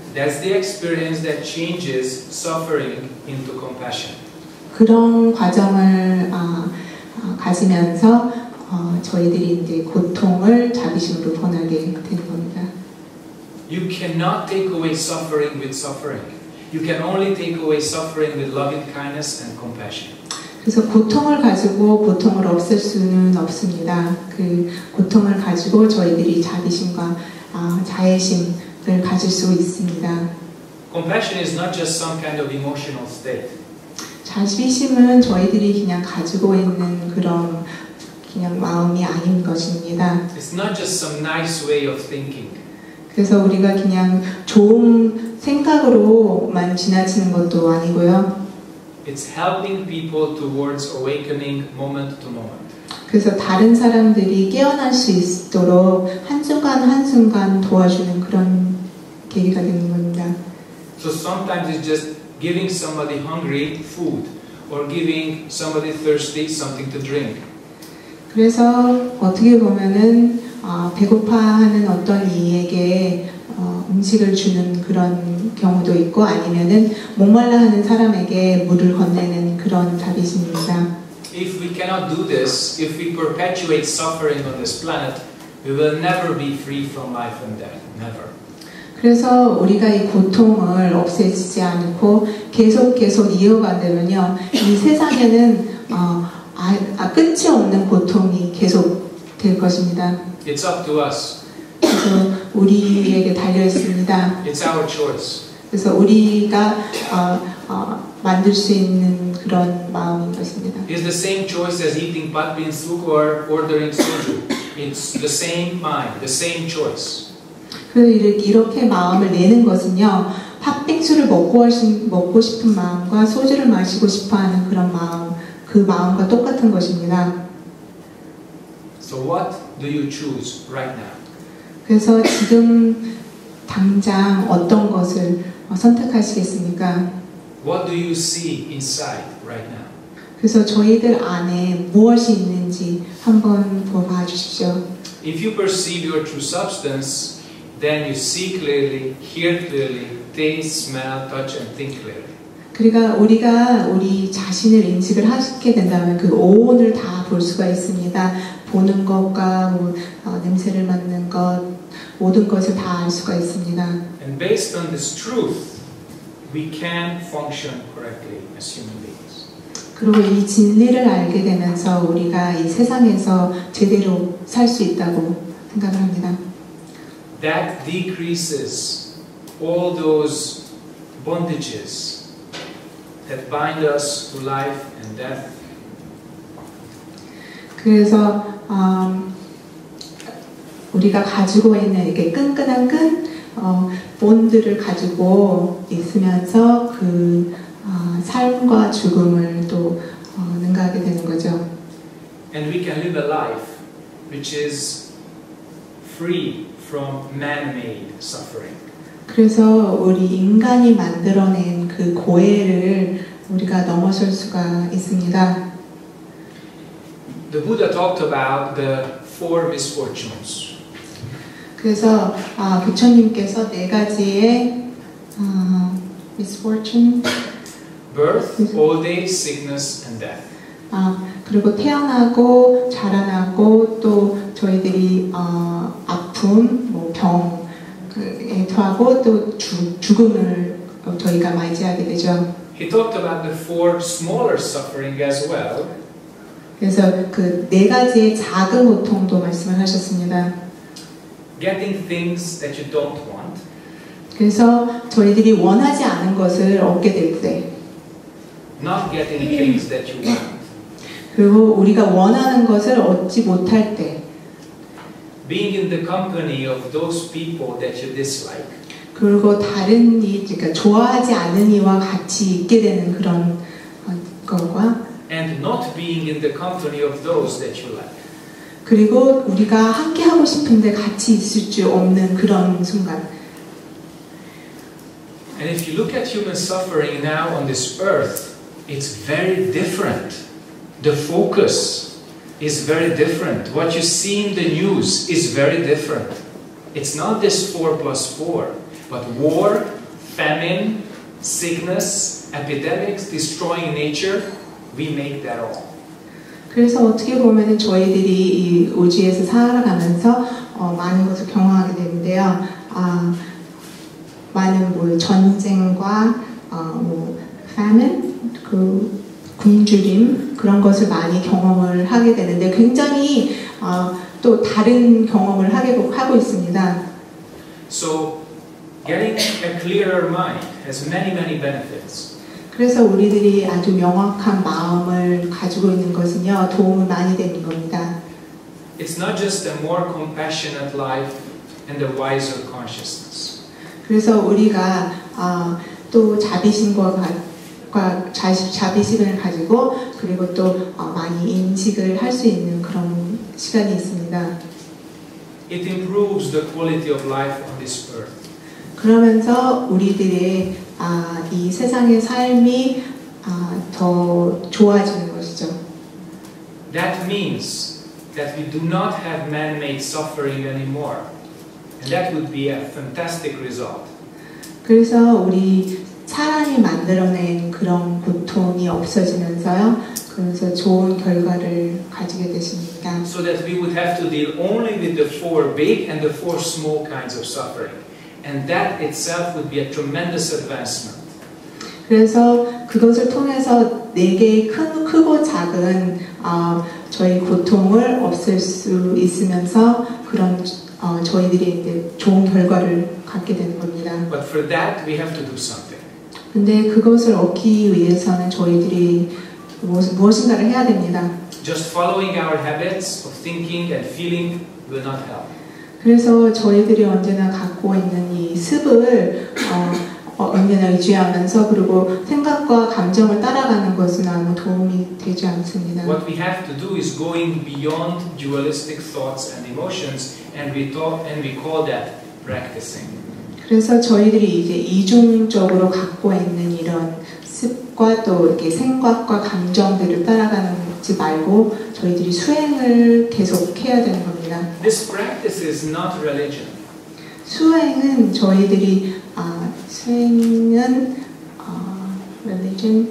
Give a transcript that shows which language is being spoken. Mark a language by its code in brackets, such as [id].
[en] That's the experience that changes suffering into compassion. [ko] 그런 과정을 가지면서 저희들이 이제 고통을 자비심으로 변하게 되는 겁니다. [en] You cannot take away suffering with suffering. You can only take away suffering with loving kindness and compassion. [ko] 그래서 고통을 가지고 고통을 없앨 수는 없습니다. 그 고통을 가지고 저희들이 자비심과 자애심을 가질 수 있습니다. [en] Compassion is not just some kind of emotional state. [ko] 자비심은 저희들이 그냥 가지고 있는 그런 그냥 마음이 아닌 것입니다. [en] It's not just some nice way of thinking. [ko] 그래서 우리가 그냥 좋은 생각으로만 지나치는 것도 아니고요. [en] It's helping people towards awakening moment to moment. [ko] 그래서 다른 사람들이 깨어날 수 있도록 한순간 한순간 도와주는 그런 계기가 되는 겁니다. [en] So sometimes it's just giving somebody hungry food or giving somebody thirsty something to drink. [ko] 그래서 어떻게 보면은 배고파하는 어떤 이에게 음식을 주는 그런 경우도 있고 아니면은 목말라하는 사람에게 물을 건네는 그런 자비심입니다. [en] If we cannot do this, if we perpetuate suffering on this planet, we will never be free from life and death. Never. [ko] 그래서 우리가 이 고통을 없애지 않고 계속 이어간다면요, 이 세상에는 끝이 없는 고통이 계속 될 것입니다. [en] It's up to us. [ko] 그래서 우리에게 달려 있습니다. [en] It's our choice. [ko] 그래서 우리가 만들 수 있는 그런 마음인 것입니다. [en] It's the same choice as eating pad bean soup or ordering soju. It's the same mind, the same choice. [ko] 그래서 이렇게 마음을 내는 것은요, 팥빙수를 먹고 싶은 마음과 소주를 마시고 싶어하는 그런 마음, 그 마음과 똑같은 것입니다. [en] So what do you choose right now? [ko] 그래서 지금 당장 어떤 것을 선택하시겠습니까? [en] What do you see inside right now? [ko] 그래서 저희들 안에 무엇이 있는지 한번 보아 주십시오. [en] If you perceive your true substance, then you see clearly, hear clearly, taste, smell, touch, and think clearly. [ko] 그러니까 우리가 우리 자신을 인식을 하게 된다면 그 오온을 다 볼 수가 있습니다. 보는 것과 냄새를 맡는 것, 모든 것을 다 알 수가 있습니다. [en] And based on this truth, we can function correctly as human beings. [ko] 그리고 이 진리를 알게 되면서 우리가 이 세상에서 제대로 살 수 있다고 생각을 합니다. [en] That decreases all those bondages that bind us to life and death. [ko] 그래서 우리가 가지고 있는 이렇게 끈끈한 끈 본드를 가지고 있으면서 그 삶과 죽음을 또 능가하게 되는 거죠. [en] And we can live a life which is free from man-made suffering. [ko] 그래서 우리 인간이 만들어낸 그 고해를 우리가 넘어설 수가 있습니다. [en] The Buddha talked about the four misfortunes. [ko] 그래서 부처님께서 네 가지의 misfortune, [en] birth, old age, sickness, and death. [ko] 그리고 태어나고 자라나고 또 저희들이 아픔, 뭐 병에 더하고 또 죽음을 저희가 맞이하게 되죠. [en] He talked about the four smaller suffering as well. [ko] 그래서 그 네 가지의 작은 고통도 말씀을 하셨습니다. [en] Getting things that you don't want. [ko] 그래서 저희들이 원하지 않은 것을 얻게 될 때. [en] Not getting things that you want. [ko] 그리고 우리가 원하는 것을 얻지 못할 때. [en] Being in the company of those people that you dislike. [ko] 그리고 다른 이 그러니까 좋아하지 않은 이와 같이 있게 되는 그런 것과. [en] And not being in the company of those that you like. [ko] 그리고 우리가 함께 하고 싶은데 같이 있을 줄 없는 그런 순간. [en] And if you look at human suffering now on this earth, it's very different. The focus is very different. What you see in the news is very different. It's not this 4+4, but war, famine, sickness, epidemics, destroying nature. We make that all. [ko] 그래서 어떻게 보면은 저희들이 이 우주에서 살아가면서 많은 것을 경험하게 되는데요. 많은 뭐 전쟁과 뭐 famine, 그 굶주림 그런 것을 많이 경험을 하게 되는데 굉장히 또 다른 경험을 하고 있습니다. [en] So getting a clearer mind has many benefits. [ko] 그래서 우리들이 아주 명확한 마음을 가지고 있는 것은요, 도움이 많이 되는 겁니다. [en] It's not just a more compassionate life and a wiser consciousness. [ko] 그래서 우리가 또 자비심을 가지고 그리고 또 많이 인식을 할 수 있는 그런 시간이 있습니다. [en] It improves the quality of life on this earth. [ko] 그러면서 우리들의 이 세상의 삶이 더 좋아지는 것이죠. [en] That means that we do not have man-made suffering anymore. And that would be a fantastic result. [ko] 그래서 우리 사람이 만들어낸 그런 고통이 없어지면서요. 그래서 좋은 결과를 가지게 되십니다. [en] So that we would have to deal only with the four big and the four small kinds of suffering. And that itself would be a tremendous advancement. [ko] 그래서 그것을 통해서 네 개의 크고 작은 저희 고통을 없앨 수 있으면서 그런 저희들이 이제 좋은 결과를 갖게 되는 겁니다. [en] But for that, we have to do something. [ko] 근데 그것을 얻기 위해서는 저희들이 무엇인가를 해야 됩니다. [en] Just following our habits of thinking and feeling will not help. [ko] 그래서 저희들이 언제나 갖고 있는 이 습을 언제나 유지하면서 그리고 생각과 감정을 따라가는 것은 아무 도움이 되지 않습니다. [en] What we have to do is going beyond dualistic thoughts and emotions and we talk and we call that practicing. [ko] 그래서 저희들이 이제 이중적으로 갖고 있는 이런 습과 또 이렇게 생각과 감정들을 따라가는 것이 말고 저희들이 수행을 계속 해야 되는 겁니다. [en] This practice is not religion. [ko] 수행은 저희들이 수행은 religion.